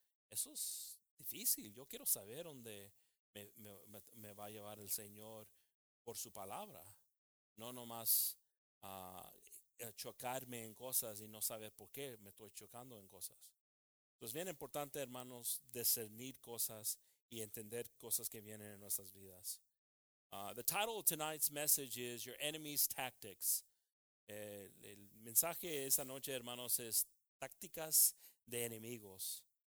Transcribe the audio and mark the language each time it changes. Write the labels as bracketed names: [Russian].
[Spanish] Eso es difícil. Yo quiero saber dónde me va a llevar el Señor por su palabra. No nomás chocarme en cosas y no saber por qué me estoy chocando en cosas. Entonces, bien importante, hermanos, discernir cosas y entender cosas que vienen en nuestras vidas. [English] The title of tonight's message is Your Enemy's Tactics. [Spanish] El mensaje esta noche, hermanos, es tácticas de enemigos.